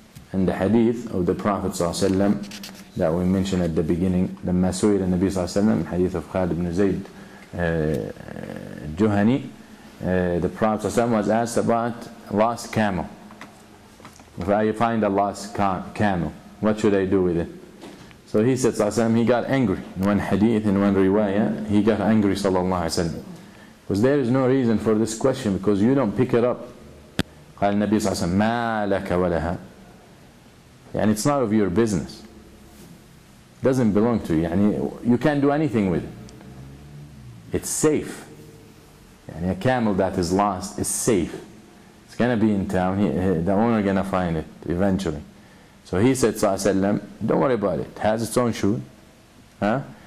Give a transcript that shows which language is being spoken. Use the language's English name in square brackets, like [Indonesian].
[English] And the hadith of the Prophet ﷺ that we mentioned at the beginning, the Masu'il and Nabi ﷺ, hadith of Khalid ibn Zayd Juhani, the Prophet ﷺ was asked about lost camel. If I find a lost camel, what should I do with it? So he said, he got angry. In one hadith, in one riwayah, he got angry, sallallahu alayhi wa sallam. Because there is no reason for this question, because you don't pick it up. [Arabic] قال النبي صلى الله عليه وسلم ما لك ولها. [English] And it's not of your business. It doesn't belong to you. يعني you can't do anything with it. It's safe. يعني a camel that is lost is safe. It's going to be in town. The owner is going to find it eventually. So he said, صلى الله عليه وسلم, don't worry about it. It has its own shoe. Huh?